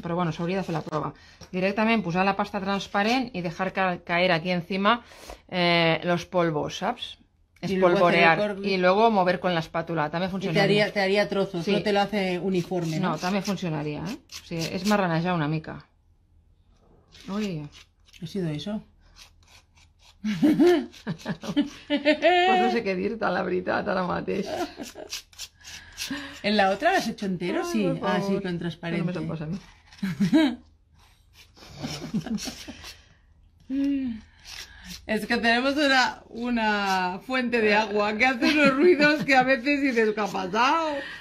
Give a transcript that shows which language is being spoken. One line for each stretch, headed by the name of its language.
Spanish: Pero bueno, sobre hacer la prueba. Directamente pusar la pasta transparente y dejar caer aquí encima los polvos, ¿sabes? Espolvorear y luego mover con la espátula. También funcionaría. Y te haría trozos, sí. No te lo hace uniforme. No, ¿no? También funcionaría. ¿Eh?
Catalan: Sí, es marranejar una mica. Uy.
Spanish: ¿Ha sido eso?
Catalan: No sé qué dir-te, la veritat, ara mateix.
Spanish: ¿En la otra lo has hecho entero? Ay, sí. Ah, sí, con transparente. No me pasa a mí. Es que tenemos una fuente de agua que hace unos ruidos que a veces dices, ¿qué ha pasado?